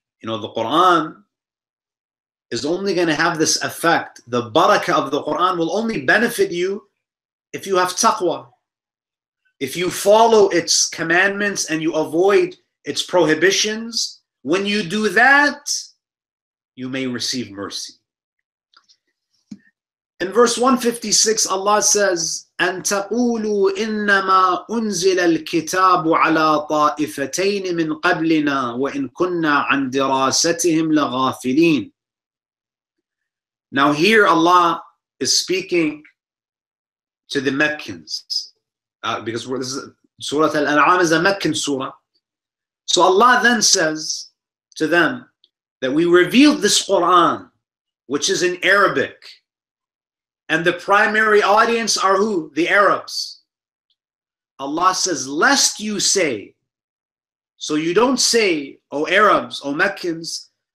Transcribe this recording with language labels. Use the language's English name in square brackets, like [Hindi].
[English] You know, the Quran is only going to have this effect. The barakah of the Quran will only benefit you if you have taqwa. If you follow its commandments and you avoid its prohibitions, when you do that, you may receive mercy. In verse 156, Allah says, [Arabic] أَن تَقُولُوا إِنَّمَا أُنزِلَ الْكِتَابُ عَلَىٰ طَائِفَتَيْنِ مِنْ قَبْلِنَا وَإِنْ كُنَّا عَنْ دِرَاسَتِهِمْ لَغَافِلِينَ [English] Now here Allah is speaking to the Meccans. Because Surah Al-An'am is a Meccan surah. So Allah then says to them that we revealed this Quran, which is in Arabic. And the primary audience are who? The Arabs. Allah says, lest you say, so you don't say, O Arabs, O Meccans,